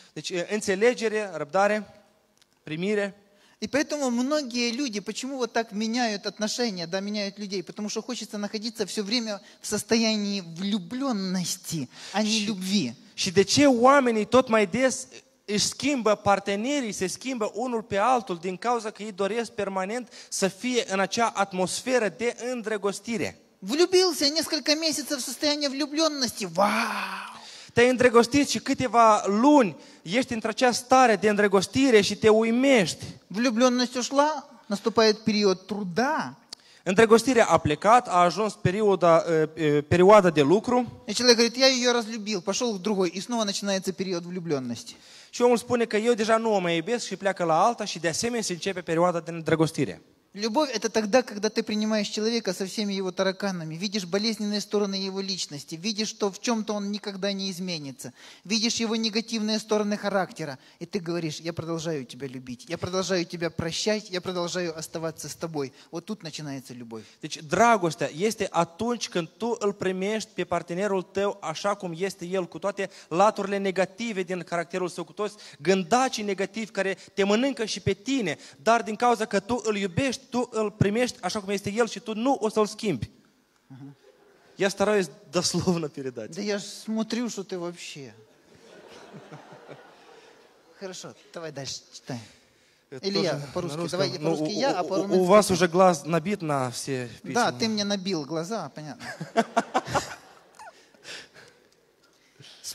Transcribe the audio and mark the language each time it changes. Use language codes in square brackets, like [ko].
[ro] Deci, înțelegere, răbdare, primire. [ru] И поэтому многие люди, почему вот так меняют отношения, да, меняют людей? Потому что хочется находиться все время в состоянии влюбленности, а не любви. [ro] Și de ce oamenii tot mai des își schimbă partenerii, se schimbă unul pe altul din cauza că ei doresc permanent să fie în acea atmosferă de îndrăgostire? [ru] Влюбился несколько месяцев в состояние влюбленности. Вау! [ro] Te-ai îndrăgostit și câteva luni ești într-acea stare de îndrăgostire și te uimești. [ru] Влюбленность ушла, наступает период труда. [ro] Îndrăgostirea a plecat, a ajuns perioada de lucru. [ru] И человек говорит, я ее разлюбил, пошел к другой, и снова начинается период влюбленности. [ro] Și omul spune că eu deja nu o mai iubesc și pleacă la alta și de asemenea se începe perioada de îndrăgostire. [ru] Любовь – это тогда, когда ты принимаешь человека со всеми его тараканами, видишь болезненные стороны его личности, видишь, что в чем-то он никогда не изменится, видишь его негативные стороны характера, и ты говоришь, я продолжаю тебя любить, я продолжаю тебя прощать, я продолжаю оставаться с тобой. Вот тут начинается любовь. [ro] Deci, dragostea este atunci când tu îl primești pe partenerul tău așa cum este el, cu toate laturile negative din caracterul său, cu toți gândacii negativi care te mănâncă și pe tine, dar din cauza că tu îl iubești, tu îl primești așa cum este el și tu nu o să-l schimbi. [ru] Я стараюсь дословно передать. Да я смотрю, что ты вообще. Хорошо, давай дальше читай. Или я по-русски, давай я по-русски я, а по-русски. У вас уже глаз набит на все письма. Да, ты мне набил глаза, понятно. С